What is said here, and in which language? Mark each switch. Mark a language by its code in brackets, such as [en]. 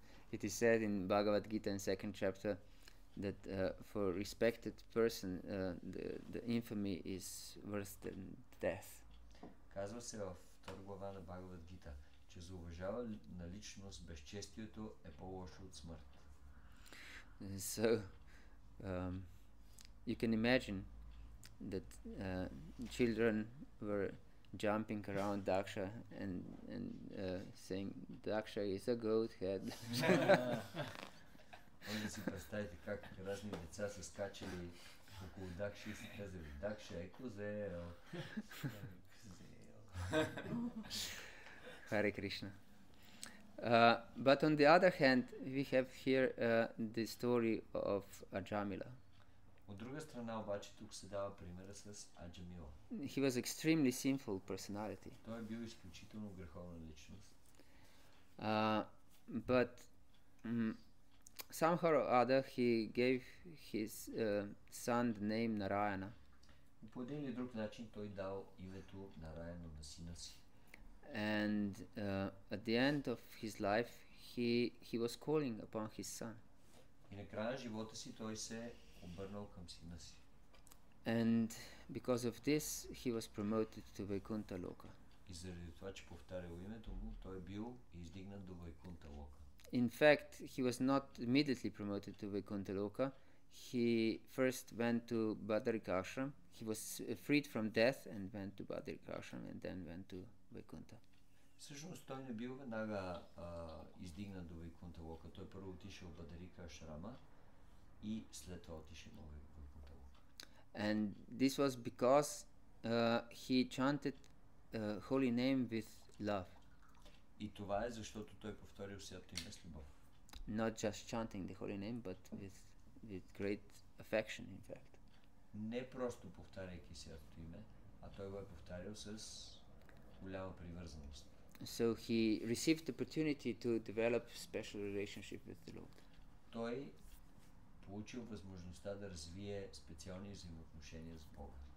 [en] It is said in Bhagavad Gita in second chapter that for a respected person the infamy is worse than death. [bg] Казва се във втора глава на Bhagavad Gita, че за уважава на личност безчестието е по-лошо от смърт. [en] So, you can imagine that children were jumping around Daksha and saying Daksha is a goat head. [bg] Може да си представите как разни деца са скачали около Дакша и си казали Дакша е козел. [en] Hare Krishna. But on the other hand, we have here the story of Ajamila. [bg] От друга страна обаче тук се дава примера с Аджамила. [en] He was extremely sinful personality. [bg] Той е бил изключително греховна личност. [en] But somehow or other he gave his son the name Narayana. [bg] По един или друг начин той дал името Нараяна на сина си. [en] And at the end of his life he was calling upon his son. [bg] И на края на живота си той се обърнал към сина си. [en] And because of this he was promoted to Vaikuntha Loka. [bg] И заради това, че повтарял името му, той бил издигнат до Vaikuntha Loka. [en] In fact, he was not immediately promoted to Vaikuntha Loka. He first went to Badrika Ashram. He was freed from death and went to Badrika Ashram and then went to Vaikuntha. [bg] Всъщност той не бил веднага издигнат до Vaikuntha Loka. Той първо отишъл в Badrika Ashrama и след това отишъл в Vaikuntha Loka. [en] And this was because he chanted holy name with love. [bg] И това е защото той повторил святото име с любов. [en] Not just chanting the holy name, but with great affection, in fact. [bg] Не просто повтаряйки святото име, а той го е повтарял с голяма привързаност. [en] So he received the opportunity to develop special relationship with the Lord. [bg] Той получил възможността да развие специални взаимоотношения с Бога.